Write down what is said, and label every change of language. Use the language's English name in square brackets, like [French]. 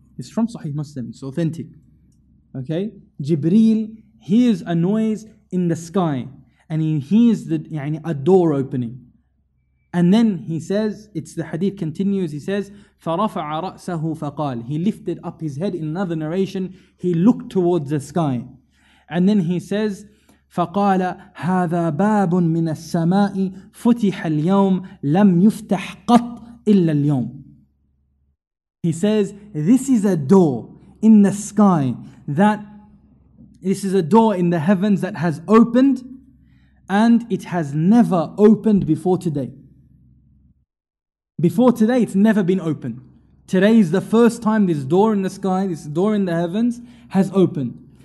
[English] It's from Sahih Muslim, it's authentic. Okay? Jibreel hears a noise in the sky and he hears a door opening. And then he says, it's the hadith continues, he says, [Arabic] فَرَفَعَ رَأْسَهُ فَقَالَ, [English] he lifted up his head. In another narration, he looked towards the sky. And then he says, [Arabic] فقال هذا باب من السماء فتح اليوم لم يفتح قط إلا اليوم. [English] He says, this is a door in the sky, that this is a door in the heavens that has opened and it has never opened before today. Before today, it's never been opened. Today is the first time this door in the sky, this door in the heavens has opened.